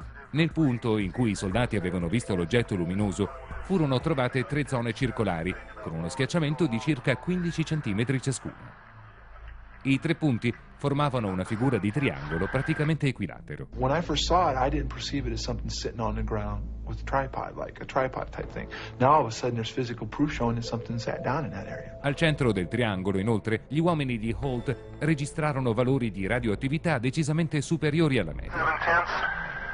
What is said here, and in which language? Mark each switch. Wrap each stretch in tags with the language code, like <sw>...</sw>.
<it>Nel punto in cui i soldati avevano visto l'oggetto luminoso, furono trovate 3 zone circolari, con uno schiacciamento di circa 15 centimetri ciascuna. I 3 punti formavano una figura di triangolo praticamente equilatero.</it> <en>When I first saw it, I didn't perceive it as something sitting on the ground with a tripod, like a tripod type thing. Now all of a sudden there's physical proof showing that something sat down in that area.</en> <it>Al centro del triangolo, inoltre, gli uomini di Holt registrarono valori di radioattività decisamente superiori alla media.</it>